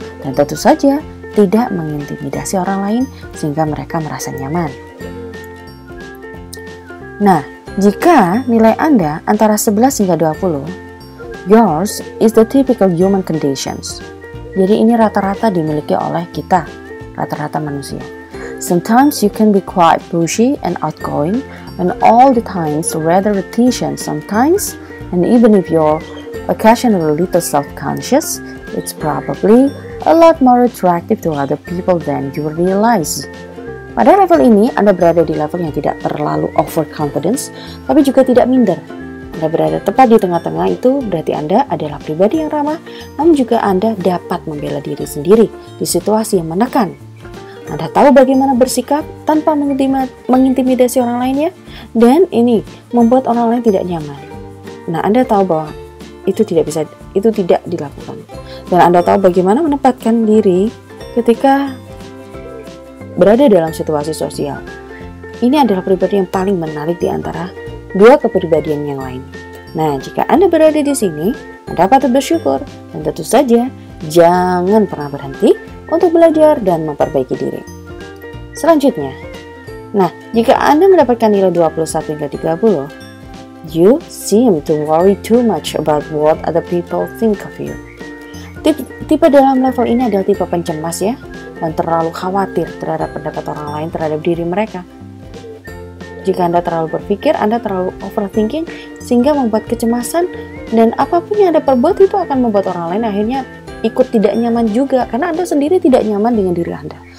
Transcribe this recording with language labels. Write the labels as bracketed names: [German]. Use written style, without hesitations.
[Indonesian] Dan tentu saja, tidak mengintimidasi orang lain, sehingga mereka merasa nyaman. Nah, jika nilai Anda antara 11 hingga 20, [English] yours is the typical human conditions. [Indonesian] Jadi ini rata-rata dimiliki oleh kita, rata-rata manusia. [English] Sometimes you can be quite pushy and outgoing, and all the times rather reticent sometimes, and even if you're occasionally a little self-conscious, it's probably a lot more attractive to other people than you realize. [Indonesian] Pada level ini, Anda berada di level yang tidak terlalu overconfidence, tapi juga tidak minder. Anda berada tepat di tengah-tengah itu, berarti Anda adalah pribadi yang ramah, namun juga Anda dapat membela diri sendiri di situasi yang menekan. Anda tahu bagaimana bersikap tanpa mengintimidasi orang lainnya, dan ini membuat orang lain tidak nyaman. Nah, Anda tahu bahwa itu tidak dilakukan. Dan Anda tahu bagaimana menempatkan diri ketika berada dalam situasi sosial. Ini adalah pribadi yang paling menarik di antara dua kepribadian yang lain. Nah, jika Anda berada di sini, Anda patut bersyukur, dan tentu saja jangan pernah berhenti untuk belajar dan memperbaiki diri. Selanjutnya, nah, jika Anda mendapatkan nilai 21 hingga 30, [English] you seem to worry too much about what other people think of you. [Indonesian] Tipe dalam level ini adalah tipe pencemas ya, dan terlalu khawatir terhadap pendapat orang lain terhadap diri mereka. Jika Anda terlalu berpikir, Anda terlalu overthinking, sehingga membuat kecemasan, dan apapun yang Anda perbuat itu akan membuat orang lain akhirnya ikut tidak nyaman juga, karena Anda sendiri tidak nyaman dengan diri Anda.